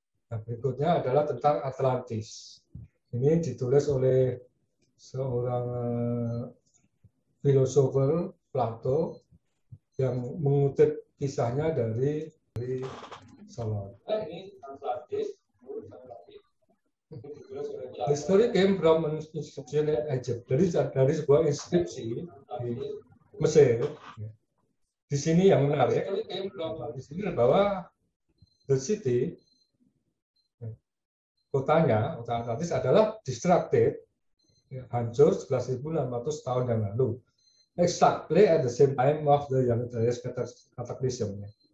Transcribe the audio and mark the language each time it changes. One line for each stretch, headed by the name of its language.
Indonesian: Nah, berikutnya adalah tentang Atlantis. Ini ditulis oleh seorang filosofer Plato yang mengutip kisahnya dari Solon. Ini Atlantis.
English: The story came from an inscription in Egypt.
Indonesian: Jadi dari sebuah inskripsi di Mesir. Di sini yang menarik, di sini bahwa
English: the city,
Indonesian: kotanya, kota Atlantis adalah destructed, hancur 11.600 tahun yang lalu.
English: Exactly at the same time of the Young Darius cataclysm.